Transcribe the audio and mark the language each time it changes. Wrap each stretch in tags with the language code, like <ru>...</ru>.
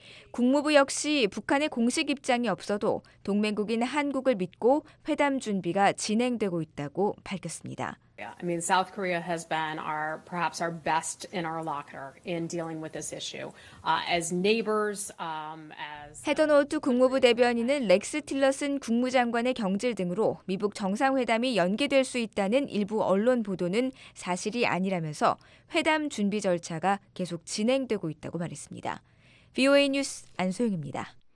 <ko>국무부 역시 북한의 공식 입장이 없어도 동맹국인 한국을 믿고 회담 준비가 진행되고 있다고 밝혔습니다.</ko> <en>I mean, South Korea has been our perhaps our best interlocutor in dealing with this issue. As neighbors, as</en> <ko>헤더 노우트 국무부 대변인은 렉스 틸러슨 국무장관의 경질 등으로 미북 정상회담이 연기될 수 있다는 일부 언론 보도는 사실이 아니라면서 회담 준비 절차가 계속 진행되고 있다고 말했습니다. VOA 뉴스 안소영입니다.</ko>